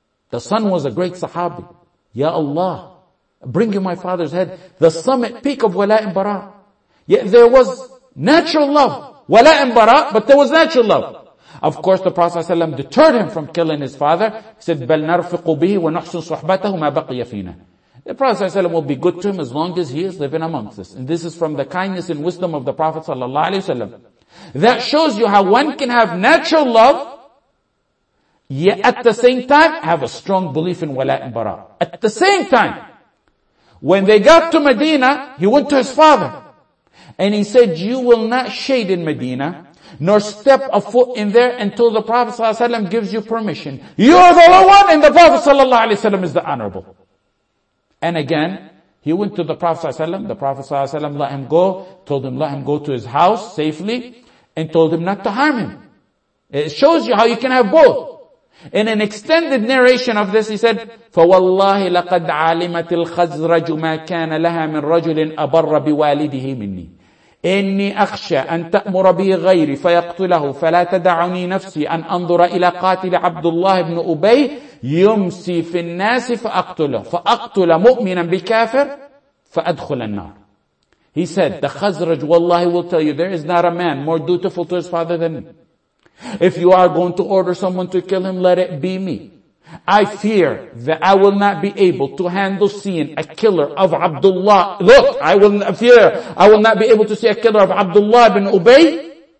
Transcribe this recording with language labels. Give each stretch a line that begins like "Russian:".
English: The son was a great sahabi. Ya Allah, bring you my father's head. The summit peak of wala and bara. Yet there was natural love. Wala and bara, but there was natural love. Of course, the Prophet ﷺ deterred him from killing his father.
Arabic: He said, بَلْ نَرْفِقُ بِهِ وَنُحْسُنْ صُحْبَتَهُ مَا بَقِيَ فِينَا.
English: The Prophet ﷺ will be good to him as long as he is living amongst us. And this is from the kindness and wisdom of the Prophet ﷺ. That shows you how one can have natural love, yet at the same time, have a strong belief in wala and bara. At the same time, when they got to Medina, he went to his father. And he said, you will not shade in Medina, nor step a foot in there until the Prophet ﷺ gives you permission. You are the low one and the Prophet ﷺ is the honorable. And again, he went to the Prophet ﷺ. The Prophet ﷺ let him go, told him, let him go to his house safely, and told him not to harm him. It shows you how you can have both.
Arabic: In an extended narration of this, he said, فَوَاللَّهِ لَقَدْ عَالِمَتِ الْخَزْرَجُ مَا كَانَ لَهَا مِنْ رَجُلٍ أَبَرَّ بِوَالِدِهِ مِنِّي إِنِّي أَخْشَى أَنْ تَأْمُرَ بِي غَيْرِ فَيَقْتُلَهُ فَلَا تَدَعُنِي نَفْسِي أَنْ أَنْظُرَ إِلَى قَاتِلِ عَبْدُ اللَّهِ بْنُ أُبَيْ يُمْسِي فِي النَّاسِ فَأَقْتُلَهُ فَأَقْتُلَ مُؤْمِنًا بِكَافِرٍ فَأَدْخُلَ النَّارِ.
English: He said, the Khazraj, wallahi will tell you, there is not a man more dutiful to his father than me. If you are going to order someone to kill him, let it be me. I fear that I will not be able to handle seeing a killer of Abdullah. Look, I will not be able to see a killer of Abdullah bin Ubay.